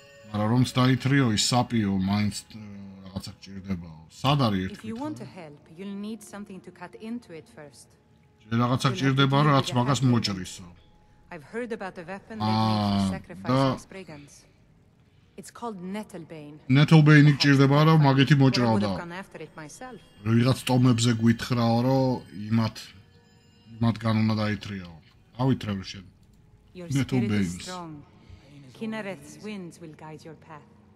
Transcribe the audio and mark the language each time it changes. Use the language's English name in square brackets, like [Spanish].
[Georgian] მაგრამ რომ დაითრიო ის საპიო მაინც რაღაცა გჭირდება. სად არის ერთი? [English] If you want to help, you'll need something to cut into it first. [Georgian] ჯერ რაღაცა გჭირდება რაც მაგას მოჭრისო. [English] I've heard about the weapon that you sacrifice for brigands. It's called nettlebane. [Georgian] Nettlebane-ი გჭირდება რა, მაგეთი მოჭრავდა. ვიღაც ტომებზე გვითხრაო, რომ იმათ მათგან უნდა დაითრიაო. ავითრევ შენ. [English] Nettlebane. Kinareth's winds will guide your path.